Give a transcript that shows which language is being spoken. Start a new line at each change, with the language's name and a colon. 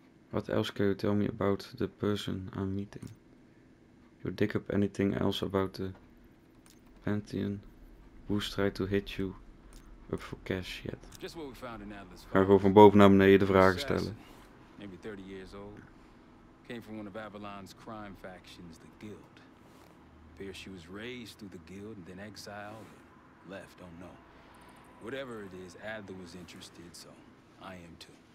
English: What else can you tell me about the person I'm meeting? You dig up anything else about the Pantheon? Who's tried to hit you up for cash yet? Just what we found in Atlas.
Dutch: Ga gewoon van boven naar beneden de vragen stellen.
English: Maybe 30 years old. Came from one of Avalon's crime factions, the Guild. Appears she was raised through the Guild and then exiled. Left, don't know. Whatever it is, Adler was interested, so I am too.